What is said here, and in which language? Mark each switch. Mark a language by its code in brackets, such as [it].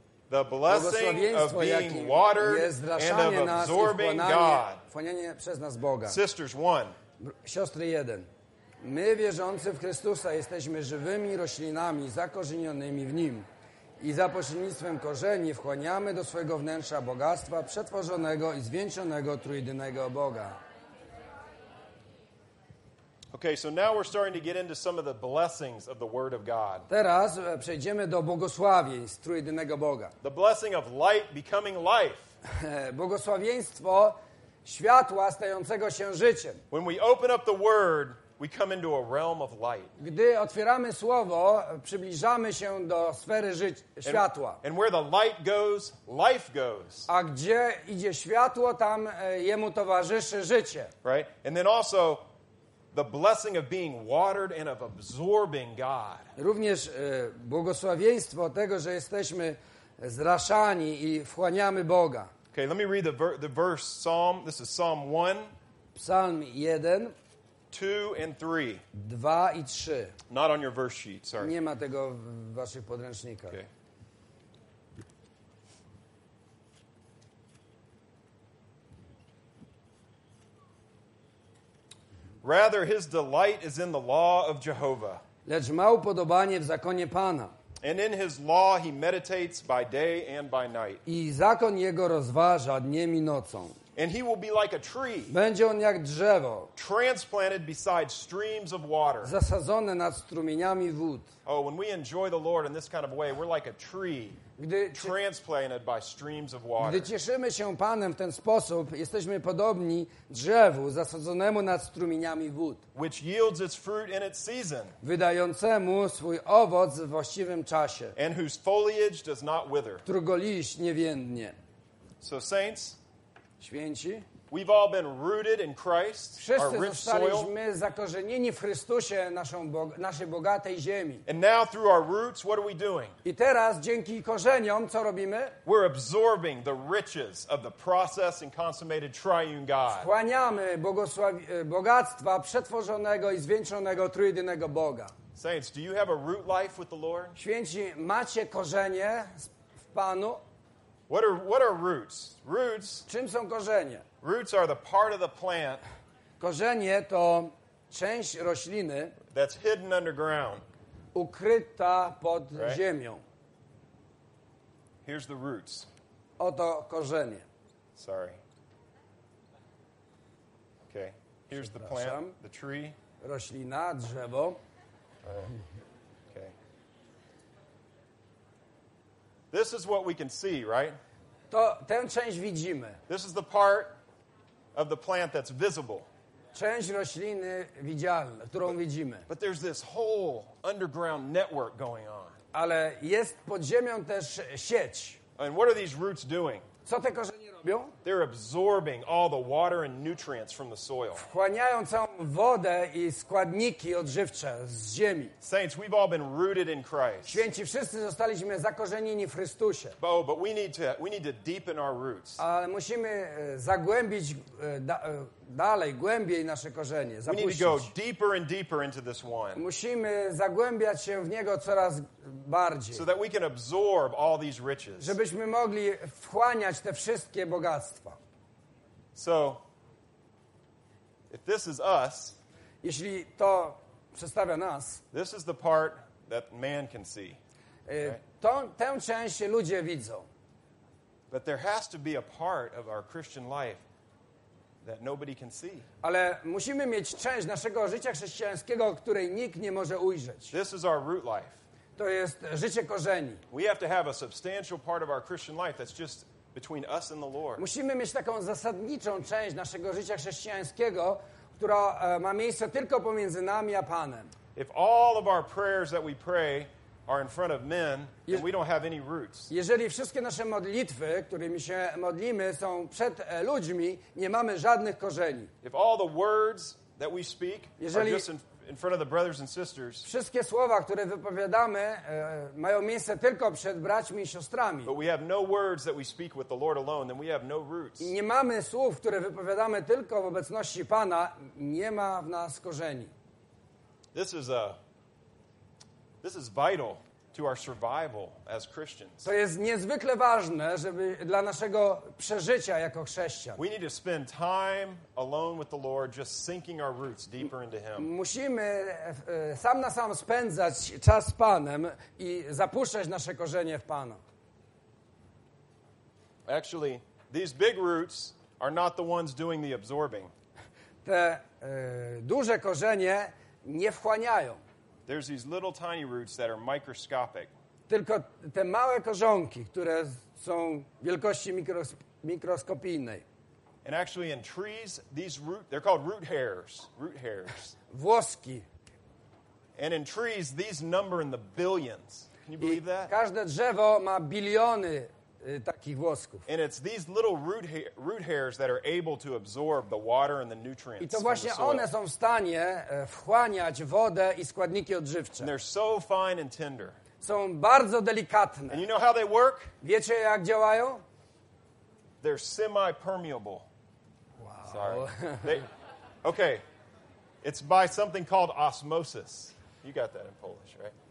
[en] The blessing of being watered and of absorbing God. [pl] Wchłanianie przez nas Boga. [en] Sisters one. [pl] Siostry jeden. My wierzący w Chrystusa jesteśmy żywymi roślinami zakorzenionymi w Nim. I za pośrednictwem korzeni wchłaniamy do swojego wnętrza bogactwa przetworzonego i zwieńczonego trójjedynego Boga. [en] Okay, so now we're starting to get into some of the blessings of the Word of God. [pl] Teraz przejdziemy do błogosławieństw trójjedynego Boga. [en] The blessing of light becoming life. [pl] Błogosławieństwo światła stającego się życiem. [en] When we open up the Word, we come into a realm of light. [pl] Gdy otwieramy słowo, przybliżamy się do sfery światła. [en] And where the light goes, life goes. [pl] A gdzie idzie światło, tam jemu towarzyszy życie. [en] Right? And then also the blessing of being watered and of absorbing God. [pl] Również błogosławieństwo tego, że jesteśmy zraszani i wchłaniamy Boga. [en] Okay, let me read the verse Psalm. This is Psalm 1. Psalm 1. 2 and 3. [pl] 2 i 3. [en] Not on your verse sheet, sorry. [pl] Nie ma tego w waszych podręcznikach. [en] Okay. Rather, his delight is in the law of Jehovah. [pl] Lecz ma upodobanie w zakonie Pana. [en] And in his law he meditates by day and by night. [pl] I zakon jego rozważa dniem i nocą. [en] And he will be like a tree. [pl] Będzie on jak drzewo. [en] Transplanted beside streams of water. [pl] Zasadzone nad strumieniami wód. [en] Oh, when we enjoy the Lord in this kind of way, we're like a tree. Transplanted by streams of water. [pl] Gdy cieszymy się Panem w ten sposób, jesteśmy podobni drzewu zasadzonemu nad strumieniami wód. [en] Which yields its fruit in its season. [pl] Wydającemu swój owoc w właściwym czasie. [en] And whose foliage does not wither. [pl] Którego liść nie więdnie. [en] So saints, [pl] święci, [en] we've all been rooted in Christ, [pl] wszyscy [en] our rich [pl] zostaliśmy [en] soil. [pl] Zakorzenieni w Chrystusie, naszej bogatej ziemi. [en] And now through our roots, what are we doing? [pl] I teraz dzięki korzeniom, co robimy? [en] We're absorbing the riches of the processed and consummated triune God. [pl] Wchłaniamy bogactwa przetworzonego i zwieńczonego trójjedynego Boga. [en] Saints, do you have a root life with the Lord? [pl] Święci, macie korzenie w Panu? [en] What are roots? Roots. [pl] Czym są korzenie? [en] Roots are the part of the plant. [pl] Korzenie to część rośliny. [en] That's hidden underground. [pl] Ukryta pod ziemią. [en] Here's the roots. [pl] Oto korzenie. [en] Sorry. Okay. Here's the plant, the tree. [pl] Roślina, drzewo. [en] Okay. This is what we can see, right? [pl] To tę część widzimy. [en] This is the part of the plant that's visible. [pl] Część rośliny widzialna, którą widzimy. [en] But there's this whole underground network going on. [pl] Ale jest pod ziemią też sieć. [en] And what are these roots doing? [pl] Co te korzenie robią? [en] They're absorbing all the water and nutrients from the soil. [pl] Wchłaniają całą wodę i składniki odżywcze z ziemi. [en] Saints, we've all been rooted in Christ. [pl] Święci, wszyscy zostaliśmy zakorzenieni w Chrystusie. [en] But we need to deepen our roots. [pl] Ale musimy zagłębić dalej, głębiej nasze korzenie, zapuścić. [en] We need to go deeper and deeper into this one. [pl] Musimy zagłębiać się w niego coraz bardziej. [en] So that we can absorb all these riches. [pl] Żebyśmy mogli wchłaniać te wszystkie bogactwa. [en] So, if this is us, [pl] jeśli to przedstawia nas, [en] this is the part that man can see. Right? [pl] Tę część ludzie widzą. [en] But there has to be a part of our Christian life that nobody can see. [pl] Ale musimy mieć część naszego życia chrześcijańskiego, której nikt nie może ujrzeć. [en] This is our root life. [pl] To jest życie korzeni. [en] We have to have a substantial part of our Christian life that's just between us and the Lord. [pl] Musimy mieć taką zasadniczą część naszego życia chrześcijańskiego, która ma miejsce tylko pomiędzy nami a Panem. [en] If all of our prayers that we pray are in front of men, then we don't have any roots. [pl] Jeżeli wszystkie nasze modlitwy, którymi się modlimy, są przed ludźmi, nie mamy żadnych korzeni. [en] If all the words that we speak are just in front of the brothers and sisters, [pl] wszystkie słowa, które wypowiadamy, mają miejsce tylko przed braćmi i siostrami. [en] But we have no words that we speak with the Lord alone, then we have no roots. [pl] Nie mamy słów, które wypowiadamy tylko w obecności Pana, nie ma w nas korzeni. [en] This is vital to our survival as Christians. [pl] To jest niezwykle ważne, żeby dla naszego przeżycia jako chrześcijan. [en] We need to spend time alone with the Lord, just sinking our roots deeper into Him. [pl] Musimy sam na sam spędzać czas z Panem i zapuszczać nasze korzenie w Panu. [en] Actually, these big roots are not the ones doing the absorbing. [pl] Te duże korzenie nie wchłaniają. [en] There's these little tiny roots that are microscopic. [pl] Tylko te małe korzonki, które są wielkości mikroskopijnej. [en] And actually in trees, these root, they're called root hairs. Root hairs. [pl] Włoski. [en] And in trees, these number in the billions. Can you believe that? [pl] Każde drzewo ma biliony takich włosków. [en] And it's these little root hairs that are able to absorb the water and the nutrients. [pl] I to właśnie one są w stanie wchłaniać wodę i składniki odżywcze. [en] And they're so fine and tender. [pl] Są bardzo delikatne. [en] And you know how they work? [pl] Wiecie, jak działają? [en] They're semi-permeable. Wow. Sorry. Okay. It's by something called osmosis. You got that in Polish, right?